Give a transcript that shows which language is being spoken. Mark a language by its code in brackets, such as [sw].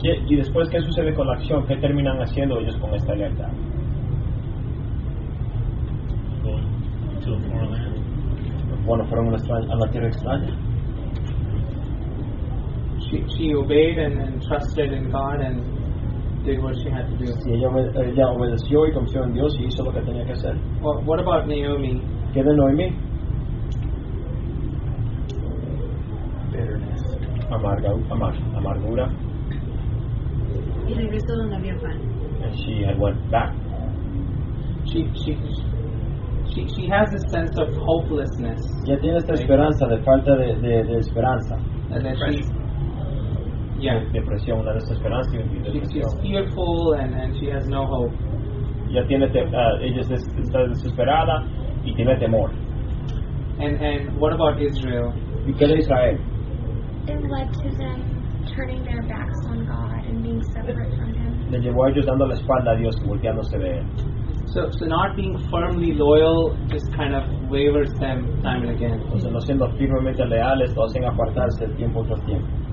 [es] Y después, ¿qué sucede con la acción? ¿Qué terminan haciendo ellos con esta lealtad? [en] Going to a foreign land. [es] Bueno, fueron a la tierra extraña. [en] She obeyed and trusted in God and did what she had to do. [es] Sí, ella obedeció y confió en Dios y hizo lo que tenía que hacer. [en] What about Naomi? [es] ¿Qué de Noemi? amargura. Y regresó donde había pan. [en] And she had went back. She has a sense of hopelessness. [es] Ya tiene esta esperanza de falta de esperanza. [en] And then [es] depresión, una de sus esperanzas. [en] She's fearful and she has no hope. [es] Ya tiene ella está desesperada y tiene temor. [en] And what about Israel? [es] ¿Y qué de Israel? [en] It led to them turning their backs on God and being separate from Him. [es] Le llevó a ellos dando la espalda a Dios y volteándose de él. [en] So not being firmly loyal just kind of wavers them time and again. [es] Entonces no siendo firmemente leales lo hacen apartarse el tiempo tras tiempo.